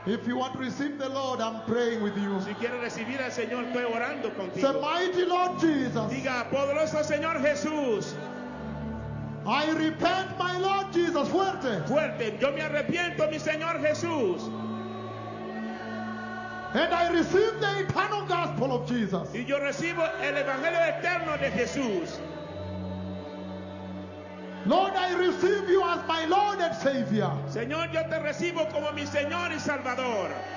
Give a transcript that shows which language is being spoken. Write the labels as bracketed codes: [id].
[en] If you want to receive the Lord, I'm praying with you. [es] Si quieres recibir al Señor, estoy orando contigo. [en] Say, mighty Lord Jesus. [es] Diga, poderoso Señor Jesús. [en] I repent, my Lord Jesus. Fuerte. [es] Fuerte. Yo me arrepiento, mi Señor Jesús. [en] And I receive the eternal gospel of Jesus. [es] Y yo recibo el evangelio eterno de Jesús. [en] Lord, I receive you as my Lord and Savior. [es] Señor, yo te recibo como mi Señor y Salvador.